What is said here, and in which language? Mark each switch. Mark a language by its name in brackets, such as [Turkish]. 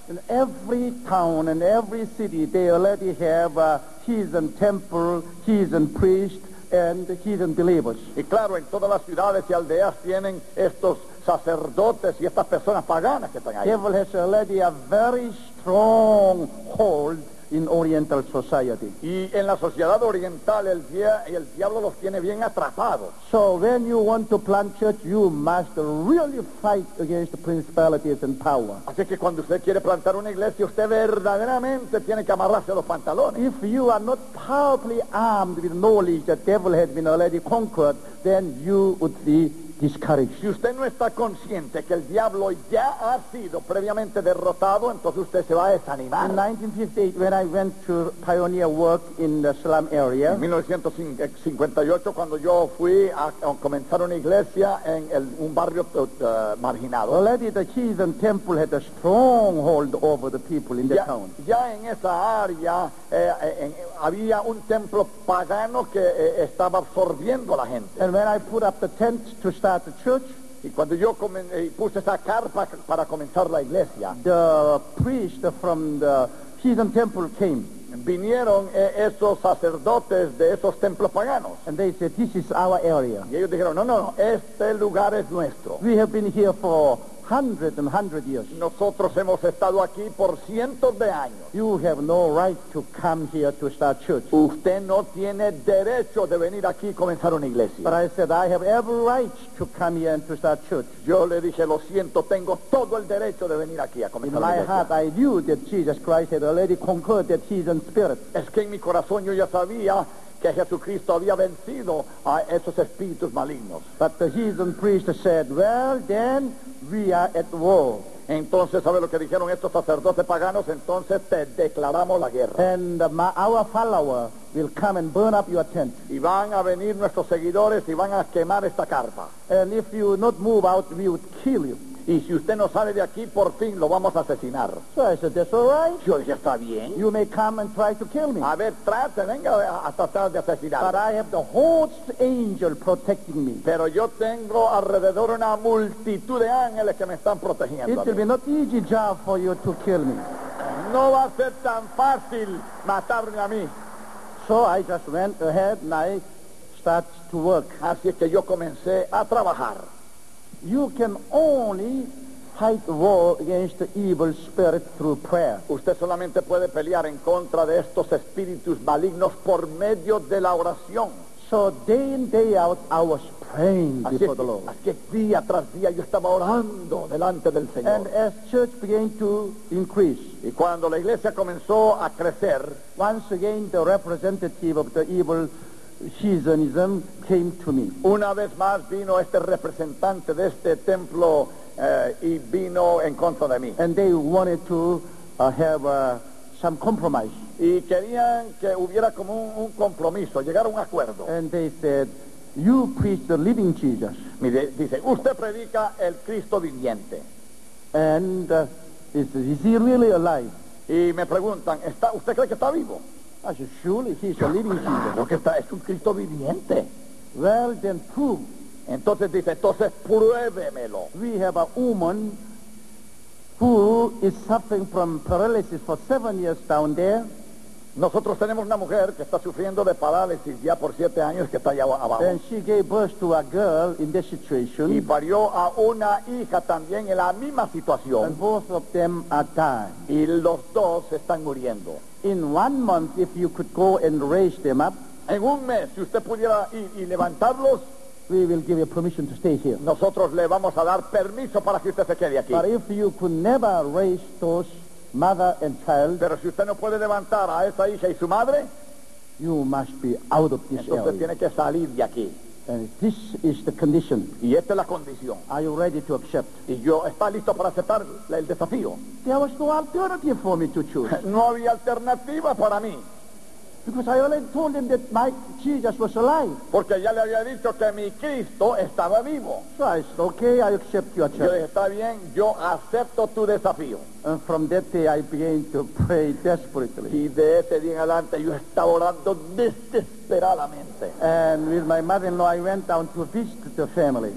[English] In every town and every city, they already have a heathen temple, heathen priest, and heathen believers. [Spanish] Y claro, en todas las ciudades y aldeas tienen estos sacerdotes y estas personas paganas que están ahí. [English] Devil has already a very strong hold in Oriental society. [Spanish] Y en la sociedad oriental el diablo los tiene bien atrapados. [English] So when you want to plant church, you must really fight against the principalities and power. [Spanish] Así que cuando usted quiere plantar una iglesia, usted verdaderamente tiene que amarrarse los pantalones. [English] If you are not powerfully armed with knowledge that devil had been already conquered, then you would be discouraged. [Spanish] Si usted no está consciente que el diablo ya ha sido previamente derrotado, entonces usted se va a desanimar. [English] In 1958, when I went to pioneer work in the slum area, [Spanish] en 1958, cuando yo fui a comenzar una iglesia en un barrio marginado, [English] already the heathen temple had a stronghold over the people in the town. [Spanish] Ya en esa área había un templo pagano que estaba absorbiendo a la gente. [English] And when I put up the tent to start the church, [Spanish] y cuando yo puse esa carpa para comenzar la iglesia, [English] the priest from the heathen temple came. [Spanish] Vinieron esos sacerdotes de esos templos paganos. [English] And they said, "This is our area." [Spanish] Y ellos dijeron, no, este lugar es nuestro. [English] We have been here for hundreds and hundreds of years. [Spanish] Nosotros hemos estado aquí por cientos de años. [English] You have no right to come here to start church. [Spanish] Usted no tiene derecho de venir aquí y comenzar una iglesia. [English] But I said, I have every right to come here and to start church. [Spanish] Yo le dije, lo siento, tengo todo el derecho de venir aquí a comenzar una iglesia. [English] In my heart, I knew that Jesus Christ had already conquered that he is in spirit. [Spanish] Es que en mi corazón yo ya sabía que Jesucristo había vencido a esos espíritus malignos. [English] But the heathen priest said, well, then, we are at war. [Spanish] Entonces, ¿sabe lo que dijeron estos sacerdotes paganos? Entonces, te declaramos la guerra. [English] And our follower will come and burn up your tent. [Spanish] Y van a venir nuestros seguidores y van a quemar esta carpa. [English] And if you not move out, we would kill you. [Spanish] Y si usted no sale de aquí, por fin lo vamos a asesinar. [English] So I said, that's all right. [Spanish] Yo dije, está bien. [English] You may come and try to kill me. [Spanish] A ver, trate, venga a tratar de asesinarme. [English] But I have the host angel protecting me. [Spanish] Pero yo tengo alrededor una multitud de ángeles que me están protegiendo. [English] It will be not easy job for you to kill me. [Spanish] No va a ser tan fácil matarme a mí. [English] So I just went ahead and I started to work. [Spanish] Así es que yo comencé a trabajar. [English] You can only fight war against the evil spirit through prayer. [Spanish] Usted solamente puede pelear en contra de estos espíritus malignos por medio de la oración. [English] So day in, day out, I was praying [Spanish] así [English] before the Lord. [Spanish] Así que día tras día yo estaba orando delante del Señor. [English] And as church began to increase, [Spanish] y cuando la iglesia comenzó a crecer, [English] once again the representative of the evil heathenism came to me. [Spanish] Una vez más vino este representante de este templo y vino en contra de mí. [English] And they wanted to have some compromise. [Spanish] Y querían que hubiera como un compromiso, llegar a un acuerdo. [English] And they said, you preach the living Jesus. [Spanish] Mire, dice, usted predica el Cristo viviente. [English] And is he really alive? [Spanish] Y me preguntan, ¿está, usted cree que está vivo? [English] I said, surely he's a living Jesus. [Spanish] Lo que está, es un Cristo viviente. [English] Well, then prove. [Spanish] Entonces dice, entonces pruébemelo. [English] We have a woman who is suffering from paralysis for 7 years down there. [Spanish] Nosotros tenemos una mujer que está sufriendo de parálisis ya por 7 años que está allá abajo. [English] And she gave birth to a girl in this situation. [Spanish] Y parió a una hija también en la misma situación. [English] And both of them are dying. [Spanish] Y los dos están muriendo. [English] In 1 month, if you could go and raise them up, [Spanish] en un mes, si usted pudiera ir y levantarlos, [English] we will give you permission to stay here. [Spanish] Nosotros le vamos a dar permiso para que usted se quede aquí. [English] But if you could never raise those mother and child, [Spanish] pero si usted no puede levantar a esa hija y su madre, [English] you must be out of this [Spanish] entonces [English] area. [Spanish] Entonces tiene que salir de aquí. [English] And this is the condition. [Spanish] Y esta es la condición. [English] Are you ready to accept? [Spanish] Y yo está listo para aceptar el desafío. [English] There was no alternative for me to choose. [Spanish] No había alternativa para mí. [English] Because I already told him that my Jesus was alive. [Spanish] Porque ya le había dicho que mi Cristo estaba vivo. [English] So I said, okay, I accept your challenge. [Spanish] Yo dije, está bien, yo acepto tu desafío. [English] And from that day I began to pray desperately. [Spanish] Y de ese día en adelante yo estaba orando desesperadamente. [English] And with my mother-in-law I went down to visit the family.